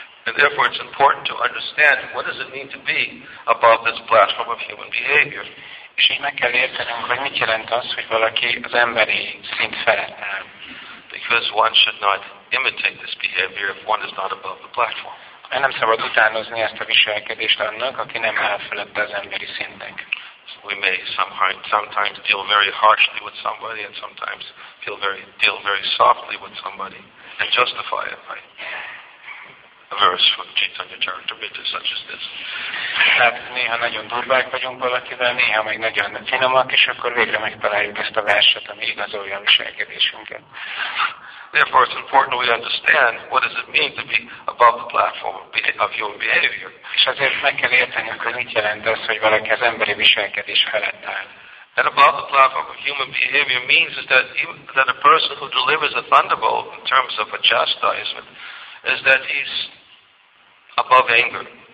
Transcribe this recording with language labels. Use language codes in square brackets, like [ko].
[en] And therefore it's important to understand what does it mean to be above this platform of human behavior. [hu] És így meg kell értenünk, hogy mit jelent az, hogy valaki az emberi szint felett áll. [en] Because one should not imitate this behavior if one is not above the platform. [hu] Nem szabad utánozni ezt a viselkedést annak, aki nem áll felett az emberi szintnek. [en] We may sometimes deal very harshly with somebody and sometimes deal very softly with somebody and justify it by a verse from Chaitanya Charitamrita such as this. [hu] Hát néha nagyon durvák vagyunk valakivel, néha meg nagyon finomak, és akkor végre megtaláljuk ezt a verset, ami igazolja a viselkedésünket. [en] Therefore it's important we understand what does it mean to be above the platform of human behavior. [hu] És azért meg kell értenünk, hogy mit jelent az, hogy valaki az emberi viselkedés felett áll. [en] That above the platform of human behavior means that a person who delivers a thunderbolt in terms of a chastisement is that he's above anger.